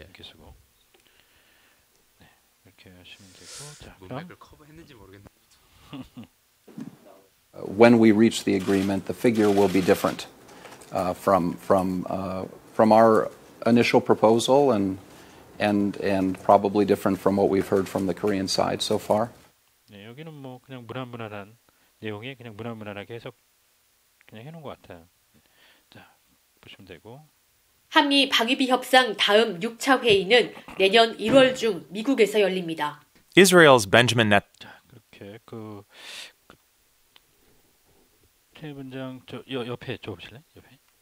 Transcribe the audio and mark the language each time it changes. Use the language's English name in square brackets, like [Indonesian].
[Korean] 이렇게 쓰고 네, 이렇게 하시면 되고 자 문맥을 커버했는지 모르겠네요. [English] When we reach the agreement, the figure will be different from our initial proposal and and probably different from what we've heard from the Korean side so far. [Korean] 네, 여기는 뭐 그냥 무난무난한 내용에 그냥 무난무난하게 해석 그냥 해놓은 것 같아요. 자, 보시면 되고. 한미 방위비 협상 다음 6차 회의는 내년 1월 중 미국에서 열립니다. [English] Israel's Benjamin Net. [Korean] 자, 그렇게 그 태 분장 저 옆에 좀 보실래? 옆에.